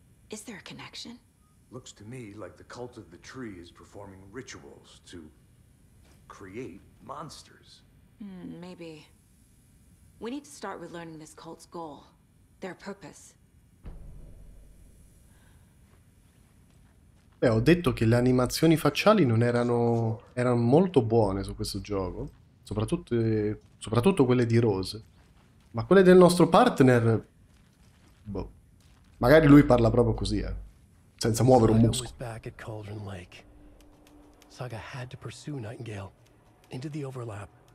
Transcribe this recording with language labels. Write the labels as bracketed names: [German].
[English] Is there a connection? Looks to me like the cult of the tree is performing rituals to create monsters. Maybe. We need to start with learning this cult's goal, their purpose. [Italian] Beh, ho detto che le animazioni facciali non erano molto buone su questo gioco, soprattutto quelle di Rose. Ma quelle del nostro partner, boh, magari lui parla proprio così, senza muovere un [English] Saga was [Italian] muscolo. [English] back at Cauldron Lake. Saga had to pursue Nightingale into the overlap.